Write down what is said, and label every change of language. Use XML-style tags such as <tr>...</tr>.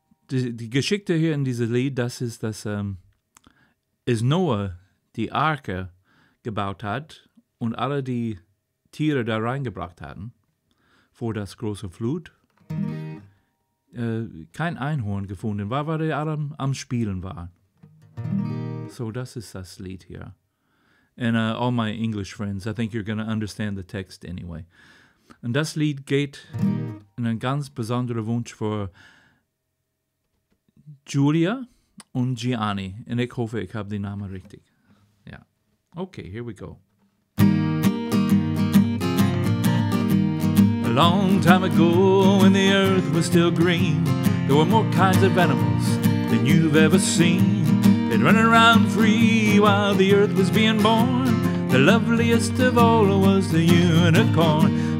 <de>Die Geschichte hier in diesem Lied, das ist, dass ist Noah die Arche gebaut hat und alle die Tiere da reingebracht hatten vor das große Flut. Kein Einhorn gefunden war, weil die alle am Spielen waren. So, das ist das Lied hier.</de> <en>And all my English friends, I think you're going to understand the text anyway.</en> <de>Und das Lied geht in einen ganz besonderen Wunsch für Giullia und Gianni. Und ich hoffe, ich habe den Namen richtig.</de> <en>Ja. Okay, here we go. A long time ago, when the earth was still green, there were more kinds of animals than you've ever seen. They'd run around free while the earth was being born. The loveliest of all was the unicorn.</en>